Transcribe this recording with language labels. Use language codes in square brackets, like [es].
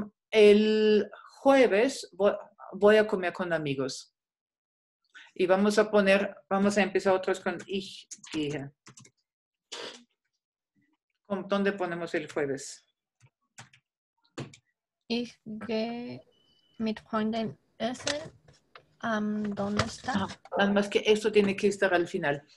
[es] El jueves voy a comer con amigos. Y vamos a empezar otros con [de] ich gehe. [es] ¿Dónde ponemos el jueves? [de] Ich gehe mit Freunden essen am Donnerstag. [es] Nada más que esto tiene que estar al final.